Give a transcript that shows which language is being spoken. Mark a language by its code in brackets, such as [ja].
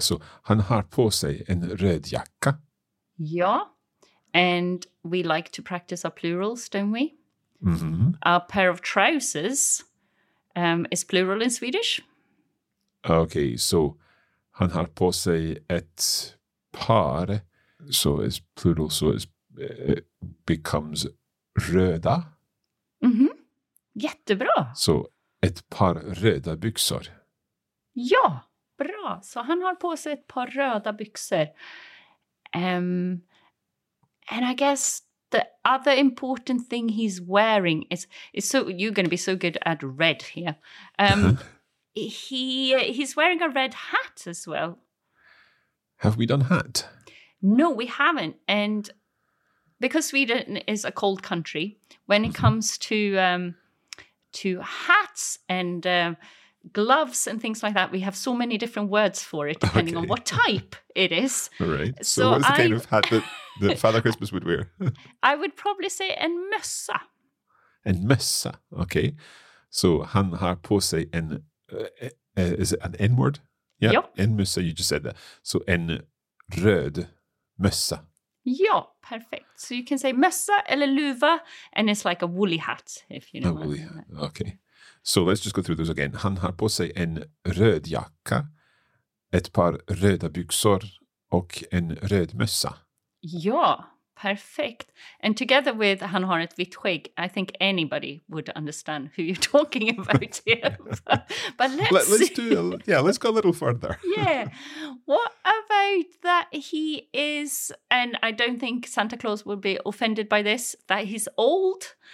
[sv] So han har på sig en röd jacka. Ja. [en] And we like to practice our plurals, don't we? Mm-hmm. Our pair of trousers is plural in Swedish. [sv] Okay, so han har på sig ett par. [en] So it's plural, so it's, it becomes röda. [sv] Mm-hmm. Jättebra. So ett par röda byxor. Ja, bra. Så han har på sig ett par röda byxor. [en] And I guess the other important thing he's wearing is so you're going to be so good at red here. he's wearing a red hat as well. Have we done hat? No, we haven't. And because Sweden is a cold country, when it comes to hats and gloves and things like that, we have so many different words for it depending on what type it is. Right. So what's the kind of hat that Father Christmas would wear? I would probably say [sv] en mössa. En mössa. [en] Okay. So [sv] han har på sig en [en] is it an N word? Yeah. Yep. [sv] En mössa, [en] you just said that. So [sv] en röd mössa. Ja, [en] perfect. So you can say [sv] mössa eller luva, [en] and it's like a woolly hat, if you know. A woolly hat. Okay. So let's just go through those again. [sv] Han har på sig en röd jacka, ett par röda byxor och en röd mössa. Ja, [en] perfect. And together with [sv] han har ett vitt skägg, [en] I think anybody would understand who you're talking about here. But let's go a little further. Yeah. What about that he is, and I don't think Santa Claus would be offended by this, that he's old?